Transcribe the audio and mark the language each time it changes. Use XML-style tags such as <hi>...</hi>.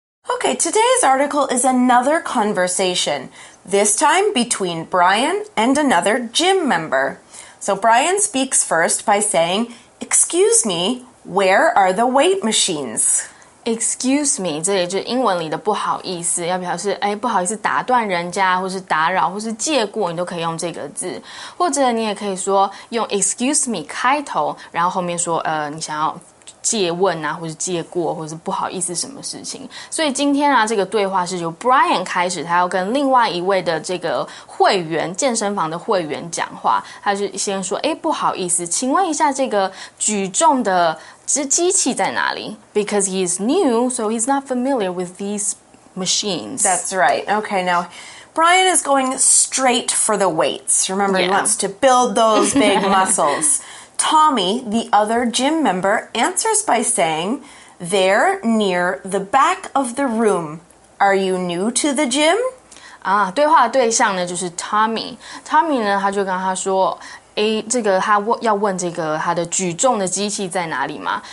<en>Okay, today's article is another conversation, this time between Brian and another gym member. So Brian speaks first by saying, "Excuse me, where are the weight machines?"</en> <zh>Excuse me, 这里就是英文里的不好意思，要表示哎不好意思打断人家，或是打扰，或是借过，你都可以用这个字，或者你也可以说用 excuse me 开头，然后后面说你想要借问啊，或是借过，或是不好意思什么事情。所以今天啊，这个对话是由 Brian 开始，他要跟另外一位的这个会员，健身房的会员讲话。他就先说，哎，不好意思，请问一下这个举重的机器在哪里？</zh> <en>Because he is new, so he's not familiar with these machines. That's right. Okay, now Brian is going straight for the weights. Remember, he wants to build those big muscles. Tommy, the other gym member, answers by saying, "They're near the back of the room. Are you new to the gym?"</en> <zh>啊，对话的对象呢就是 Tommy。 Tommy 呢，他就跟他说，哎，这个他要问这个他的举重的机器在哪里嘛？</zh>